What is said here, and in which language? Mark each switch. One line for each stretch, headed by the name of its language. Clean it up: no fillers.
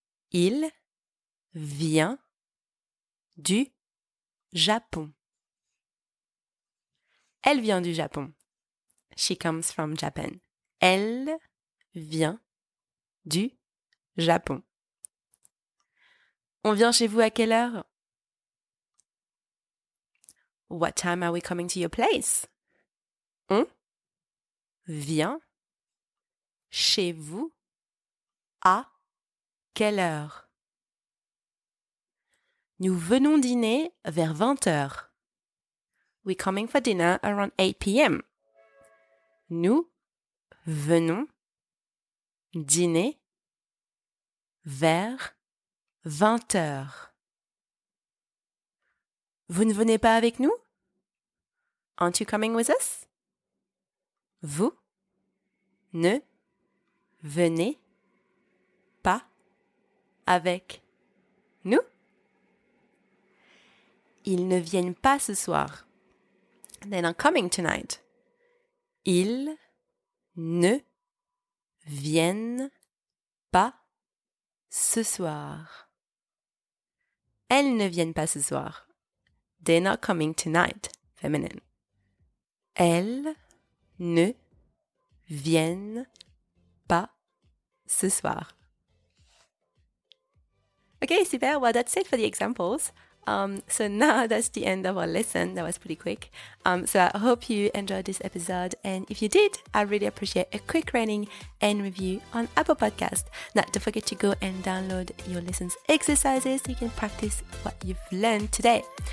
French: Il vient du Japon. Elle vient du Japon.
English: She comes from Japan.
French: Elle vient du Japon. On vient chez vous à quelle heure?
English: What time are we coming to your place?
French: On vient chez vous à quelle heure? Nous venons dîner vers 20h.
English: We're coming for dinner around 8 p.m.
French: Nous venons dîner vers 20h. Vous ne venez pas avec nous?
English: Aren't you coming with us?
French: Vous ne venez pas avec nous? Ils ne viennent pas ce soir.
English: They're not coming tonight.
French: Ils ne viennent pas ce soir. Elles ne viennent pas ce soir.
English: They're not coming tonight. Feminine.
French: Elles ne viennent pas ce soir.
English: Okay, super. Well, that's it for the examples. So now that's the end of our lesson. That was pretty quick. So I hope you enjoyed this episode. And if you did, I really appreciate a quick rating and review on Apple Podcast. Now, don't forget to go and download your lessons exercises so you can practice what you've learned today.